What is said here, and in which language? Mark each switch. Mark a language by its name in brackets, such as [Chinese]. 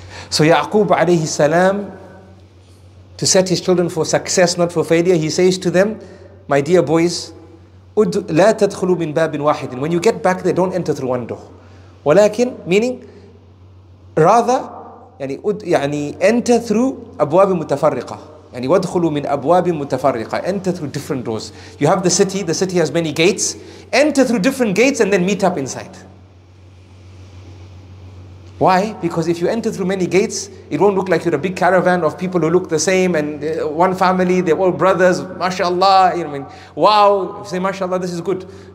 [English] So Ya'qub alayhi salam, to set his children for success, not for failure, he says to them, my dear boys, [Arabic] لا تدخلوا من باب واحد. [English] When you get back there, don't enter through one door. ولكن, meaning, rather, يعني enter through [Arabic] أبواب متفرقة. يعني وادخلوا من أبواب متفرقة. [English] Enter through different doors. You have the city has many gates. Enter through different gates and then meet up inside. Why? Because if you enter through many gates, it won't look like you're a big caravan of people who look the same and one family, they're all brothers, mashallah, you know, I mean, wow, you say, mashallah, this is good.